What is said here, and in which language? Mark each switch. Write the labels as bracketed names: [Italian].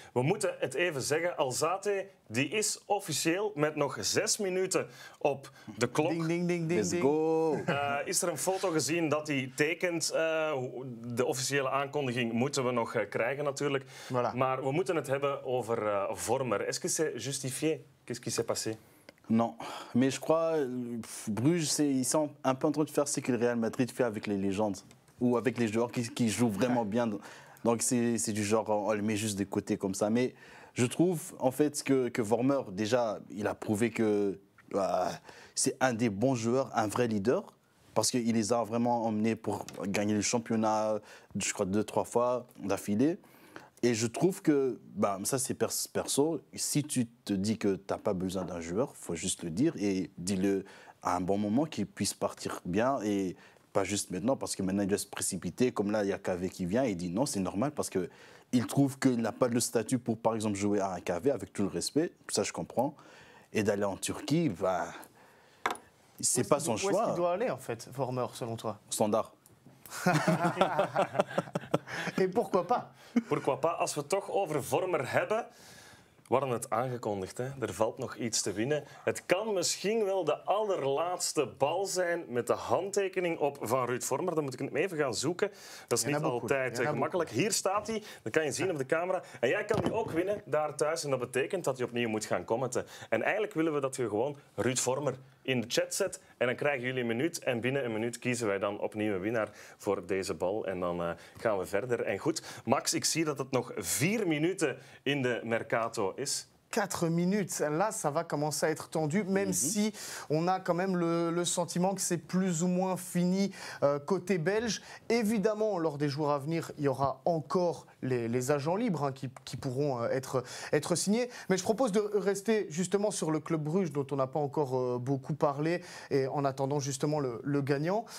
[Dutch] We moeten het even zeggen. Alzate, die is officieel met nog 6 minuten op de klok. Ding, ding, ding, ding. [English] Let's go. [Dutch] Is er een foto gezien dat hij tekent? De officiële aankondiging moeten we nog krijgen natuurlijk. Voilà. Maar we moeten het hebben over Vormer. [French] Est-ce que c'est justifié? Qu'est-ce qui s'est passé? Non, mais je crois Bruges, ils sont un peu en train de faire ce que le Real Madrid fait avec les légendes ou avec les joueurs qui jouent vraiment bien. Donc c'est du genre, on le met juste de côté comme ça. Mais je trouve en fait que Vormer, déjà, il a prouvé que c'est un des bons joueurs, un vrai leader, parce qu'il les a vraiment emmenés pour gagner le championnat, je crois, 2-3 fois d'affilée. Et je trouve que, bah, ça c'est perso, si tu te dis que tu n'as pas besoin d'un joueur, il faut juste le dire et dis-le à un bon moment qu'il puisse partir bien et pas juste maintenant parce que maintenant il doit se précipiter. Comme là, il y a Kaveh qui vient et il dit non, c'est normal parce qu'il trouve qu'il n'a pas le statut pour par exemple jouer à un Kaveh avec tout le respect, ça je comprends. Et d'aller en Turquie, bah, c'est pas son choix. Où est-ce qu'il doit aller en fait, Vormer, selon toi ? Standard. Et pourquoi pas? Pourquoi pas? [Dutch] Als we het toch over Vormer hebben, we hadden het aangekondigd, hè? Er valt nog iets te winnen. Het kan misschien wel de allerlaatste bal zijn met de handtekening op van Ruud Vormer. Dan moet ik hem even gaan zoeken. Dat is niet altijd gemakkelijk. Hier staat hij. Dat kan je zien op de camera. En jij kan die ook winnen daar thuis. En dat betekent dat je opnieuw moet gaan commenten. En eigenlijk willen we dat je gewoon Ruud Vormer in de chat zet. En dan krijgen jullie een minuut. En binnen een minuut kiezen wij dan opnieuw een winnaar voor deze bal. En dan gaan we verder. En goed, Max, ik zie dat het nog 4 minuten in de Mercato is. [French] 4 minutes. En là, ça va commencer à être tendu, même si on a quand même le sentiment que c'est plus ou moins fini côté belge. Évidemment, lors des jours à venir, il y aura encore les agents libres hein, qui pourront être signés. Mais je propose de rester justement sur le club Bruges, dont on n'a pas encore beaucoup parlé, et en attendant justement le gagnant.